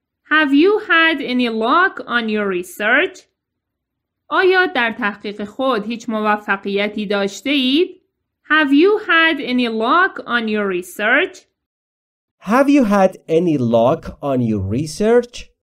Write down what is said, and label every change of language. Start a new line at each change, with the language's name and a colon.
English: Have you had any luck on your research?
Persian: آیا در تحقیق خود هیچ موفقیتی داشته اید؟
English: Have you had any luck on your research? Have you had any luck on your research?